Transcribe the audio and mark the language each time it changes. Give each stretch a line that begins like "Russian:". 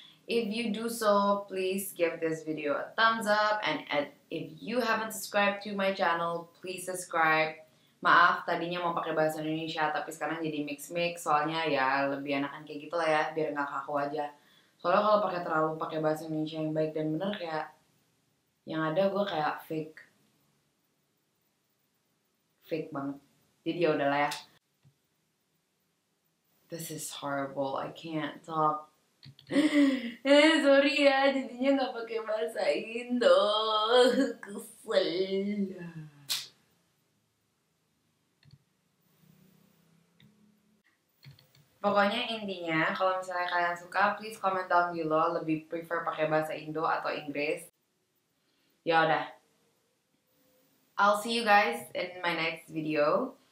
English: If you do so, please give this video a thumbs up. And if you haven't subscribed to my channel, please subscribe.
Indonesian: Maaf, tadinya mau pakai bahasa Indonesia, tapi sekarang jadi mix-mix. Soalnya ya lebih enakan kayak gitu lah ya, biar nggak kaku aja. Soalnya kalau pakai terlalu pakai bahasa Indonesia yang baik dan benar, kayak yang ada gue kayak fake banget. Jadi ya udahlah ya.
English: This is horrible. I can't talk. Sorry
Indonesian: ya, jadinya nggak pakai bahasa Indo. Kesel. Pokoknya intinya, kalau misalnya kalian suka,
English: please comment down below,
Indonesian: lebih prefer pakai bahasa Indo atau Inggris. Ya udah.
English: I'll see you guys in my next video.